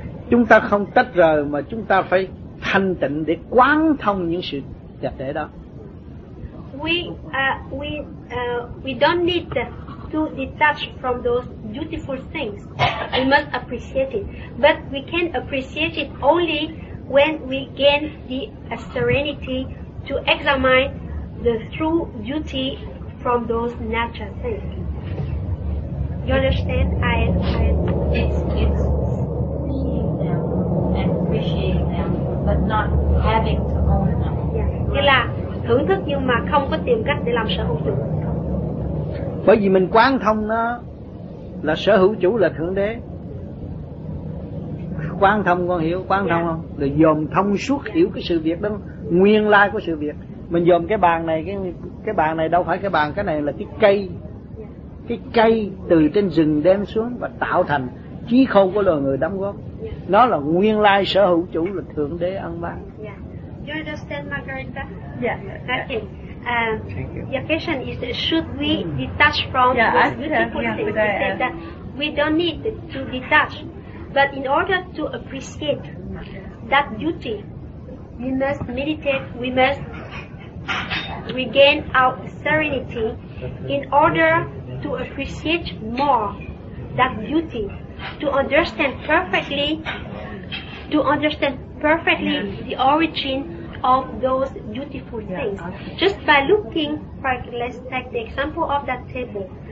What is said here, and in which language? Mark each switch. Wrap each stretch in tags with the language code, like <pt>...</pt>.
<vi>Chúng ta không tách rời, mà chúng ta phải thanh tịnh để quán thông những sự đẹp đẽ đó.</vi> <en>We don't need to detach from those beautiful things. We must appreciate it, but we can appreciate it only when we gain the serenity to examine the true beauty from those natural things. You understand? It's seeing them and appreciating them, but not having to own them. Yeah.</en> <vi>Nghĩa là thưởng thức nhưng mà không có tìm cách để làm sở hữu chủ. Bởi vì mình quán thông nó là sở hữu chủ, là Thượng Đế. Quán thông, con hiểu quán thông không? Là dòm thông suốt hiểu cái sự việc đó, nguyên lai của sự việc. Mình dòm cái bàn này, cái bàn này đâu phải cái bàn, cái này là cái cây. Cái cây từ trên rừng đem xuống và tạo thành trí khôn của loài người đóng góp. Nó là nguyên lai sở hữu chủ, là Thượng Đế ân ban.</vi> <en>Do you understand, Margarita? Yeah, that's it. Your question is, should we detach from those beautiful things? You said that we don't need to detach, but in order to appreciate that beauty, we must meditate, we must regain our serenity in order to appreciate more that beauty, to understand perfectly the origin of those beautiful things. Just by looking, like, let's take the example of that table.</en>